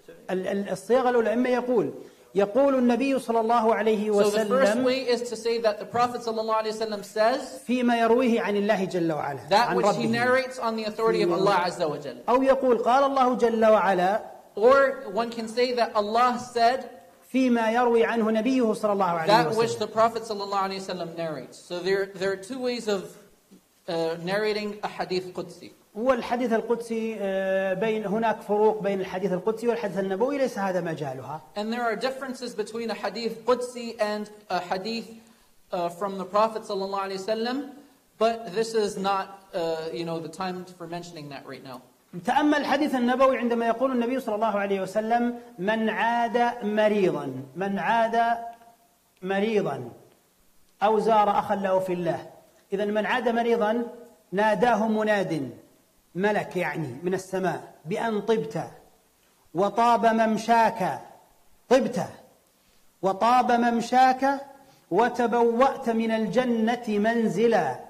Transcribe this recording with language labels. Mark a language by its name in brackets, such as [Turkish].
[Arabic] الصياغة الأولى إما يقول يقول النبي صلى الله عليه وسلم. [English] So the first way is to say that the Prophet [Arabic] sallallahu alayhi wa sallam [English] says [Arabic] فيما يرويه عن الله جل وعلا. [English] That which he narrates on the authority of Allah [Arabic] Azza wa Jal. أو يقول قال الله جل وعلا. [English] Or one can say that Allah said [Arabic] فيما يروي عنه نبيه صلى الله عليه وسلم. [English] That which the Prophet [Arabic] صلى الله عليه وسلم [English] narrates. So there are two ways of narrating a hadith Qudsi. [Arabic] والحديث القدسي بين هناك فروق بين الحديث القدسي والحديث النبوي، ليس هذا مجالها. [English] And there are differences between a hadith Qudsi and a hadith from the Prophet [Arabic] صلى الله عليه وسلم. [English] But this is not you know, the time for mentioning that right now. [Arabic] تأمل الحديث النبوي عندما يقول النبي صلى الله عليه وسلم من عاد مريضا، من عاد مريضا أو زار أخا له في الله. إذا من عاد مريضا ناداه مناد ملك يعني من السماء بأن طبت وطاب ممشاك، طبت وطاب ممشاك وتبوأت من الجنة منزلا.